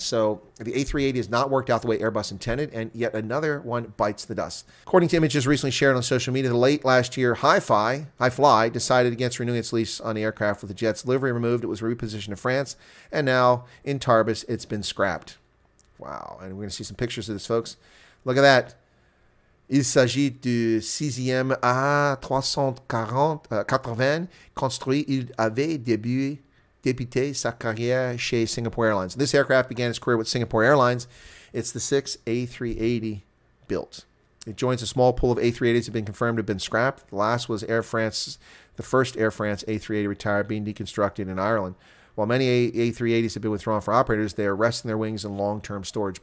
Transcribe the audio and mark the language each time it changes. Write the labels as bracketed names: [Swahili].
[English] So the A380 has not worked out the way Airbus intended, and yet another one bites the dust. According to images recently shared on social media, the late last year, HiFly decided against renewing its lease on the aircraft with the jet's livery removed. It was repositioned to France, and now in Tarbes, it's been scrapped. Wow, and we're going to see some pictures of this, folks. Look at that. [French] Il s'agit du 6e A340-80 construit. Il avait débuté sa carrière chez Singapore Airlines. [English] This aircraft began its career with Singapore Airlines. It's the 6th A380 built. It joins a small pool of A380s that have been confirmed have been scrapped. The last was Air France, the first Air France A380 retired, being deconstructed in Ireland. While many A380s have been withdrawn for operators, they are resting their wings in long-term storage.